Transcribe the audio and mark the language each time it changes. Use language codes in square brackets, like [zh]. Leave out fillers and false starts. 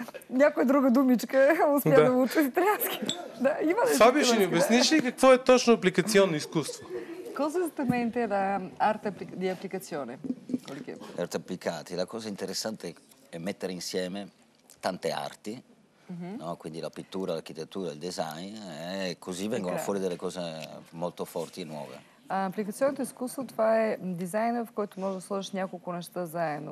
[bg] Някоя друга думичка успя да уча италиански. Фаби, ще ни обясниш ли какво е точно апликационно изкуство? [it] Cosa esattamente era arte di applicazione? Arte applicati. La cosa interessante è mettere insieme tante arti, no? Quindi la pittura, l'architettura, il design, e così vengono fuori delle cose molto forti e nuove. [bg] Апликационното изкуство, това е дизайна, в който можеш да сложиш няколко неща заедно.